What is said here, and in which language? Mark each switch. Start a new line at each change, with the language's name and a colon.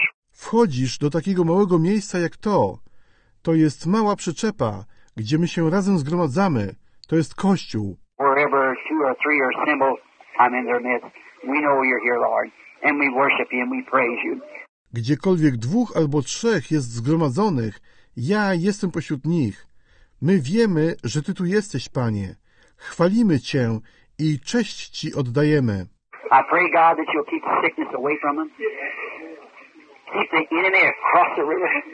Polish: Wchodzisz do takiego małego miejsca jak to. To jest mała przyczepa, gdzie my się razem zgromadzamy. To jest Kościół.
English: Wherever two or three are assembled, I'm in their midst. We know you're here, Lord. And we worship you and we praise you.
Polish: Gdziekolwiek dwóch albo trzech jest zgromadzonych, ja jestem pośród nich. My wiemy, że Ty tu jesteś, Panie. Chwalimy Cię i cześć Ci oddajemy.
English: I pray, God, that you'll keep the sickness away from them. Keep the enemy across the river.